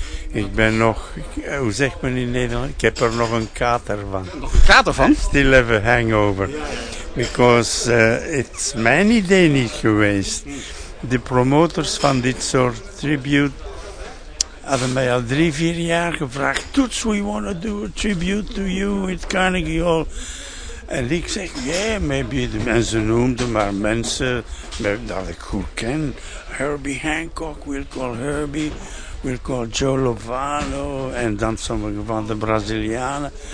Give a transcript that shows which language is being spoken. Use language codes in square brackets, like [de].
[nl] Ik ben nog, hoe zegt men in Nederland? Ik heb er nog een kater van. Nog een kater van? [en] I still have a hangover. Because it's [nl] mijn idee niet geweest. De promoters van dit soort tribute hadden mij al 3-4 jaar gevraagd. [en] Toets, we want to do a tribute to you at Carnegie Hall. [nl] En ik zeg, [en] yeah, maybe [nl] de mensen noemden, maar mensen dat ik goed ken. [en] Herbie Hancock, we'll call Herbie. We'll call Joe Lovano. [nl] En dan sommige van de Brazilianen.